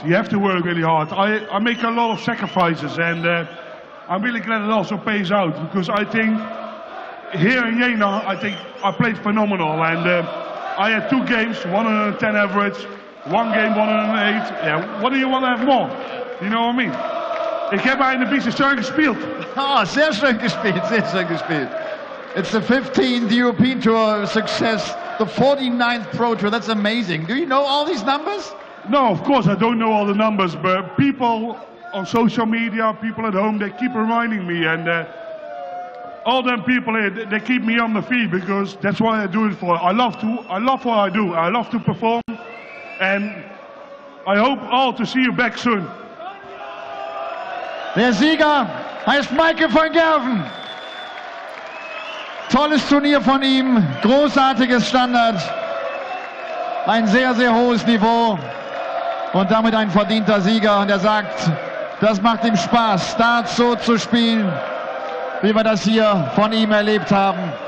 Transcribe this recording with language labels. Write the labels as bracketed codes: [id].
[en] You have to work really hard. I make a lot of sacrifices, and I'm really glad it also pays out, because I think here in Jena, I think I played phenomenal. And I had two games, 110 average, one game, 108. Yeah, what do you want to have more? You know what I mean? [de] Ich habe eine bisschen schön gespielt. Ah, oh, sehr schön gespielt, sehr schön gespielt. [en] It's the 15th European Tour success, the 49th Pro Tour. That's amazing. Do you know all these numbers? No, of course I don't know all the numbers, but people on social media, people at home, they keep reminding me, and all them people here, they keep me on the feed, because that's what I do it for. I love what I do. I love to perform, and I hope all to see you back soon. [de] Der Sieger heißt Michael van Gerwen. Tolles Turnier von ihm, großartiges Standard, ein sehr, sehr hohes Niveau und damit ein verdienter Sieger. Und er sagt, das macht ihm Spaß, Darts so zu spielen, wie wir das hier von ihm erlebt haben.